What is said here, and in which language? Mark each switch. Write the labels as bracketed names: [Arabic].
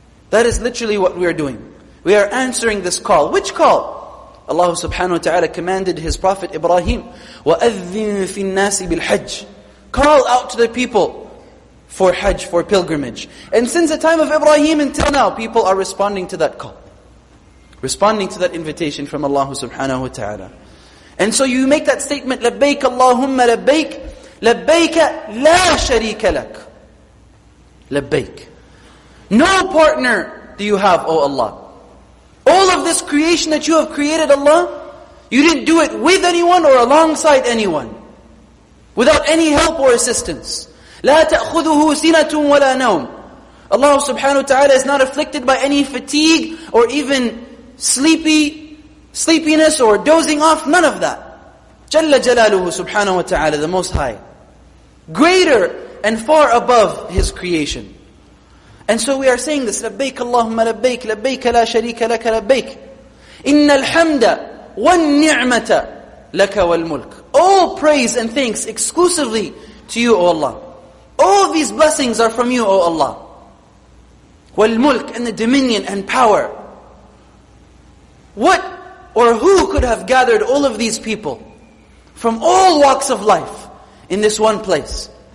[English] That is literally what we are doing. We are answering this call. Which call? Allah subhanahu wa ta'ala commanded His Prophet Ibrahim, [Arabic] وَأَذِّن فِي النَّاسِ بِالْحَجِّ. [English] Call out to the people for Hajj, for pilgrimage. And since the time of Ibrahim until now, people are responding to that call. Responding to that invitation from Allah subhanahu wa ta'ala. And so you make that statement, [Arabic] لَبَّيْكَ اللَّهُمَّ لَبَّيْكَ لَبَّيْكَ لَا شَرِيكَ لَكَ لَبَّيْكَ. [English] No partner do you have, O Allah. All of this creation that you have created, Allah, you didn't do it with anyone or alongside anyone. Without any help or assistance. [Arabic] لَا تَأْخُذُهُ سِنَةٌ وَلَا نَوْمٌ. [English] Allah subhanahu wa ta'ala is not afflicted by any fatigue or even sleepiness or dozing off, none of that. [Arabic] جَلَّ جَلَالُهُ سُبْحَانَهُ وَتَعَالَى, [English] the Most High. Greater and far above His creation. And so we are saying this, [Arabic] لَبَّيْكَ اللَّهُمَّ لَبَّيْكَ لَبَّيْكَ لَا شَرِيكَ لَكَ لَبَّيْكَ إِنَّ الْحَمْدَ وَالنِّعْمَةَ لَكَ وَالْمُلْكَ. [English] All praise and thanks exclusively to You, O Allah. All these blessings are from You, O Allah. وَالْمُلْكَ, and the dominion and power. What or who could have gathered all of these people from all walks of life in this one place?